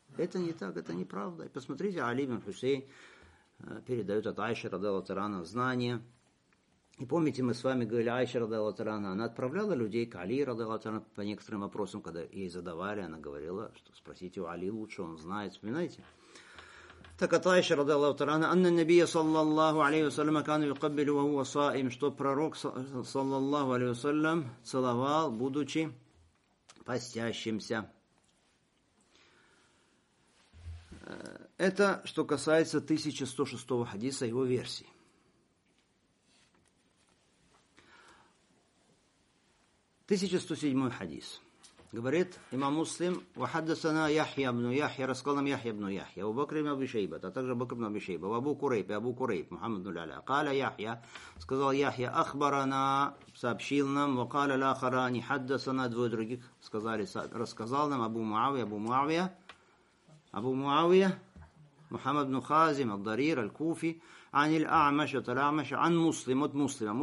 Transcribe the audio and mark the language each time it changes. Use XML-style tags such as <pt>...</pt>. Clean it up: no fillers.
<ru>Это не так, это неправда. И посмотрите, Али ибн Хусейн передает от Айши Радала Тарана знания. И помните, мы с вами говорили, Айши Радала Тарана, она отправляла людей к Али Радала Тарана по некоторым вопросам, когда ей задавали, она говорила, что спросите у Али лучше, он знает, вспоминаете? Так от Айши</ru> <ar>رضي الله تعالى عنها أن النبي صلى الله عليه وسلم كان يقبل وهو صائم</ar> <ru>что пророк</ru> <ar>صلى الله عليه وسلم</ar> <ru>целовал будучи постящимся. Это что касается 1106 хадиса его версии. Тысяча сто седьмой хадис. Говорит имам Муслим, «Вахаддасана Яхья бну Яхья, рассказал нам Яхья бну Яхья, у Бакр ибн Аби Шейба, а также Бакр ибн Аби Шейба, в Абу Курейб, Абу Курейб, Мухаммад ибн Аля, каля Яхья, сказал Яхья, ахбарана, сообщил нам, ва каля лахарани, хаддасана, двое других сказали, рассказал нам, Абу Муавия, Абу Муавия, Абу Муавия, Мухаммад ибн Хазим, Ад-Дарир, Аль-Куфи, ан иль-Амаш, ат-Амаш, ан Муслим, от Муслима.</ru>